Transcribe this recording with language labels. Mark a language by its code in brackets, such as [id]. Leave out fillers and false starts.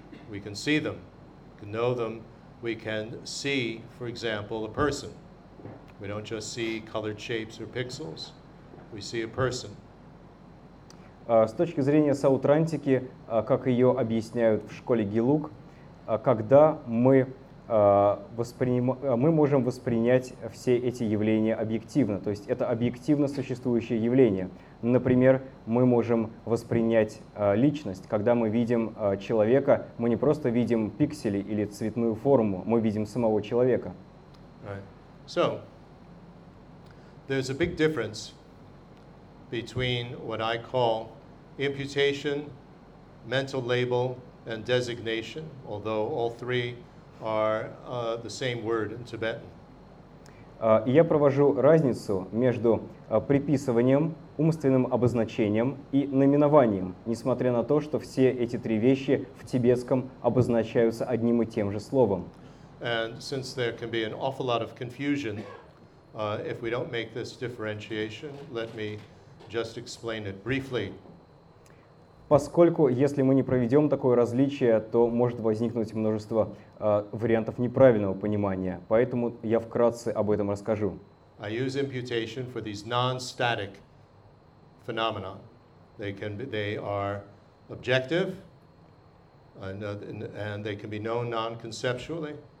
[en] We can see them, we can know them, we can see, for example, a person. We don't just see colored shapes or pixels. We see a person. [ru] С точки зрения саутрантики, как ее объясняют в школе Гилук, когда мы можем воспринять все эти явления объективно, то есть это объективно существующее явление. Например, мы можем воспринять личность. Когда мы видим человека, мы не просто видим пиксели или цветную форму, мы видим самого человека. [en] Right. So, there's a big difference between what I call imputation, mental label, and designation, although all three are the same word in Tibetan. [ru] Я провожу разницу между приписыванием, умственным обозначением и наименованием, несмотря на то, что все эти три вещи в тибетском обозначаются одним и тем же словом. [en] And since there can be an awful lot of confusion, if we don't make this differentiation, let me just explain it briefly. [ru] Поскольку, если мы не проведем такое различие, то может возникнуть множество вариантов неправильного понимания. Поэтому я вкратце об этом расскажу. [en] I use imputation for these non-static phenomena. They are objective, and they can be known non-conceptually.